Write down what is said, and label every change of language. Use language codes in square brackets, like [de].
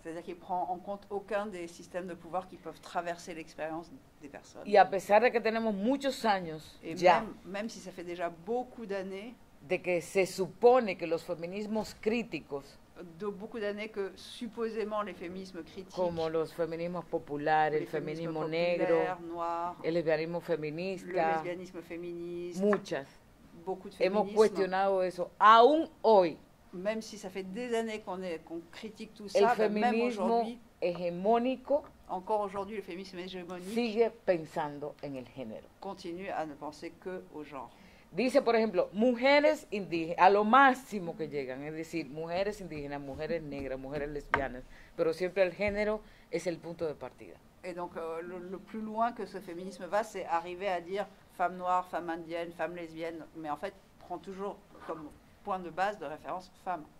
[fr] C'est-à-dire qu'il prend en compte aucun des systèmes de pouvoir qui peuvent traverser l'expérience des personnes. [es] Y a pesar de que tenemos muchos años, [fr] et [es] ya, [fr] même si ça fait déjà beaucoup d'années, [es] de que se supone que los feminismos críticos, [fr] de beaucoup d'années que supposément les féminismes critiques, [es] como los feminismos populares, el feminismo negro, [fr] noir, [es] el lesbianismo feminista, [fr] le lesbianisme féministe, [es] muchas. [fr] Beaucoup de féminisme. [es] Hemos cuestionado eso aún hoy. [fr] Même si ça fait des années qu'on critique tout ça, [es] el feminismo hegemónico, [fr] encore aujourd'hui le féminisme hegemónico [es] sigue pensando en el género. [fr] Continue à ne penser que au genre. [es] Dice, por ejemplo, mujeres indígenas, a lo máximo que llegan, es decir, mujeres indígenas, mujeres negras, mujeres lesbianas, pero siempre el género es el punto de partida. [fr] Et donc le plus loin que ce féminisme va, c'est arriver à dire femme noire, femme indienne, femme lesbienne, mais en fait, prend toujours comme point de base de référence femme.